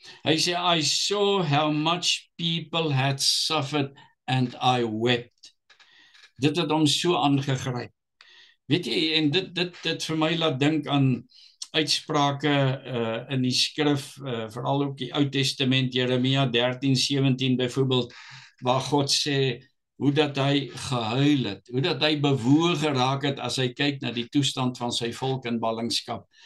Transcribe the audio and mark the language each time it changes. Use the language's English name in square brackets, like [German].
[Afrikaans] Hy sê, [English] "I saw how much people had suffered and I wept." [Afrikaans] Dit het hom so aangegryp. Weet jy, en dit vir my laat dink aan uitsprake in die skrif, veral ook die Ou Testament, Jeremia 13:17 byvoorbeeld, waar God sê hoe dat hy gehuil het, hoe dat hy bewoog geraak het as hy kyk na die toestand van sy volk in ballingskap.